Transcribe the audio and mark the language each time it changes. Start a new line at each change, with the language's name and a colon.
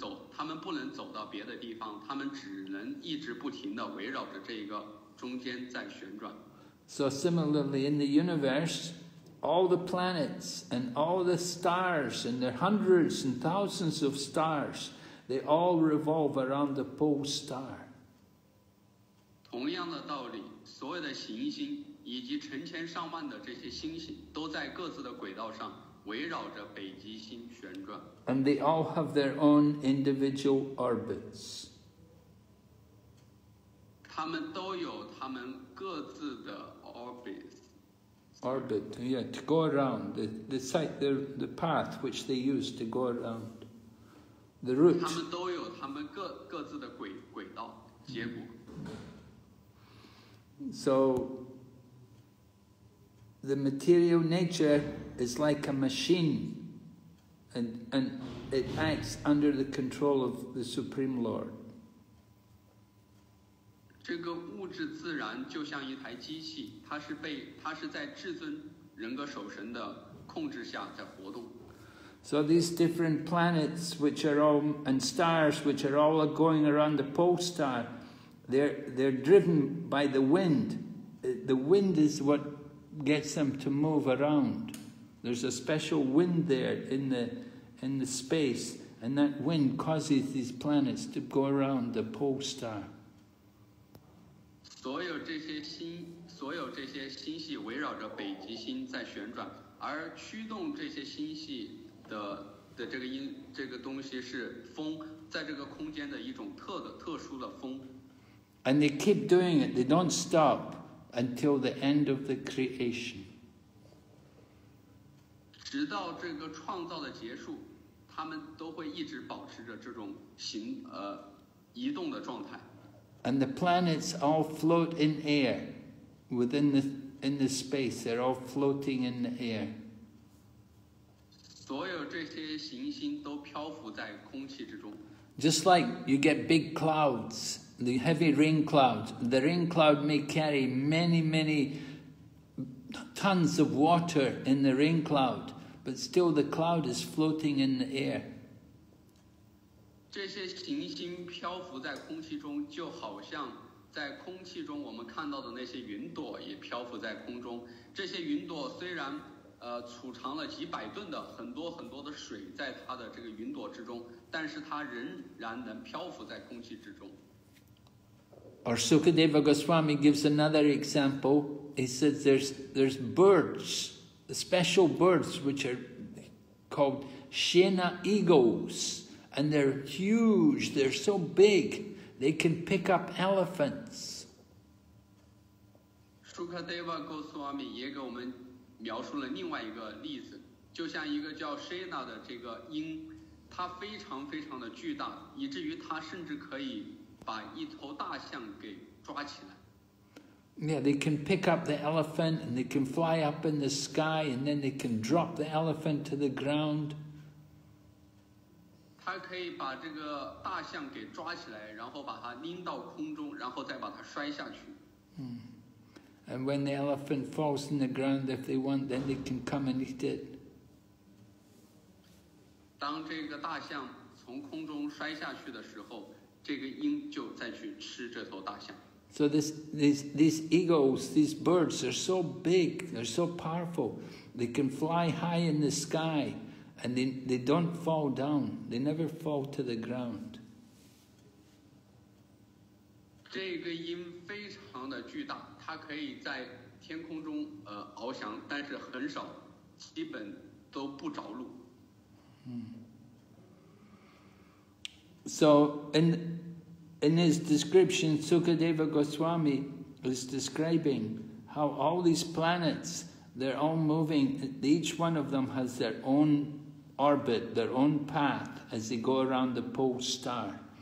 Chinese: 他们不能走到别的地方，他们只能一直不停地围绕着这个中间在旋转。
English: So similarly in the universe,all the planets and all the stars and there are hundreds and thousands of stars, they all revolve around the pole star.
Chinese: 同样的道理，所有的行星以及成千上万的这些星星都在各自的轨道上围绕着北极星旋转。
English: And they all have their own individual orbits.
Chinese: 他们都有他们各自的 orbits.
English: Orbit, yeah, to go around the site, the path which they use to go around the route.
Chinese: 他们都有他们各自的轨道结果。
English: So the material nature is like a machine, and it acts under the control of the Supreme Lord.
Chinese: 这个物质自然就像一台机器。它是在至尊人格守神的控制下在活动。
English: So these different planets which are all, and stars which are all going around the pole star, they're driven by the wind. The wind is what gets them to move around. There's a special wind there in the space, and that wind causes these planets to go around the pole star.
Chinese: 所有这些星系围绕着北极星在旋转，而驱动这些星系的这个东西是风，在这个空间的一种特殊的风。
English: And they keep doing it, they don't stop until the end of the creation.
Chinese: 直到这个创造的结束，他们都会一直保持着这种行移动的状态。
English: And the planets all float in air, within the, in the space, they're all floating in the air.
Chinese: 所有这些行星都漂浮在空气之中。
English: Just like you get big clouds, the heavy rain clouds, the rain cloud may carry many, many tons of water in the rain cloud, but still the cloud is floating in the air.
Chinese: 这些行星漂浮在空气中，就好像在空气中我们看到的那些云朵也漂浮在空中。这些云朵虽然储藏了几百吨的很多很多的水在它的这个云朵之中，但是它仍然能漂浮在空气之中。
English: Or Sukadeva Goswami gives another example. He says there's birds, special birds which are called Shena eagles, and they're huge. They're so big, they can pick up elephants.
Chinese: Sukadeva Goswami 也给我们描述了另外一个例子，就像一个叫 Shena 的这个鹰，它非常非常的巨大，以至于它甚至可以把一头大象给抓起来。
English: Yeah, they can pick up the elephant and they can fly up in the sky and then they can drop the elephant to the ground.
Chinese: 它可以把这个大象给抓起来，然后把它拎到空中，然后再把它摔下去。
English: And when the elephant falls in the ground, if they want, then they can come and eat it.
Chinese: 当这个大象从空中摔下去的时候，这个鹰就再去吃这头大象。
English: So these eagles, these birds are so big, they're so powerful. They can fly high in the sky, and they don't fall down. They never fall to the ground.
Chinese: 这个鹰非常的巨大，它可以在天空中翱翔，但是很少，基本都不着陆。
English: So in his description, Sukadeva Goswami is describing how all these planets, they're all moving, each one of them has their own orbit, their own path as they go around the pole star.